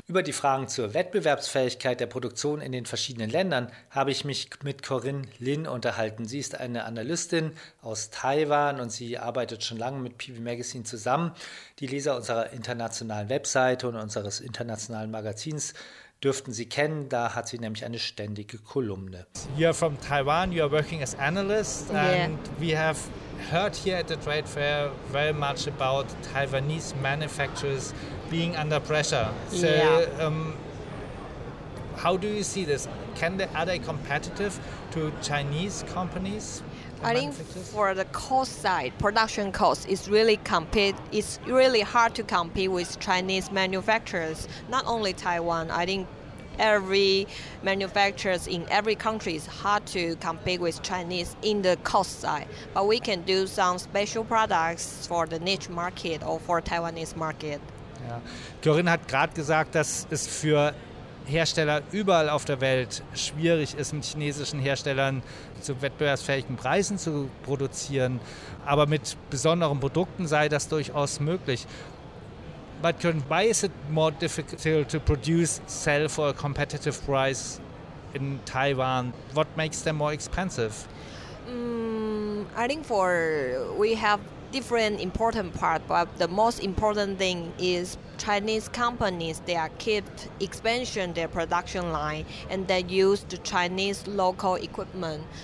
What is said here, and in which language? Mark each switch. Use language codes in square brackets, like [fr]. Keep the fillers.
[de] Über die Fragen zur Wettbewerbsfähigkeit der Produktion in den verschiedenen Ländern habe ich mich mit Corinne Lin unterhalten. Sie ist eine Analystin aus Taiwan und sie arbeitet schon lange mit PV Magazine zusammen. Die Leser unserer internationalen Webseite und unseres internationalen Magazins dürften Sie kennen. Da hat sie nämlich eine ständige Kolumne. [en] You're from Taiwan, you are working as analyst and yeah. we have heard here at the trade fair very much about Taiwanese manufacturers being under pressure. So yeah. um, how do you see this? Can they, are they competitive to Chinese companies? I think for the cost side, production cost is really compete. It's really hard to compete with Chinese manufacturers. Not only Taiwan. I think every manufacturers in every country is hard to compete with Chinese in the cost side. But we can do some special products for the niche market or for Taiwanese market. [de] Ja. Corinne hat gerade gesagt, dass es für Hersteller überall auf der Welt schwierig ist, mit chinesischen Herstellern zu wettbewerbsfähigen Preisen zu produzieren. Aber mit besonderen Produkten sei das durchaus möglich. [en] But Corinne, why is it more difficult to produce, sell for a competitive price in Taiwan? What makes them more expensive? Mm, I think for we have different important part, but the most important thing is Chinese companies they are kept expansion their production line and they use the Chinese local equipment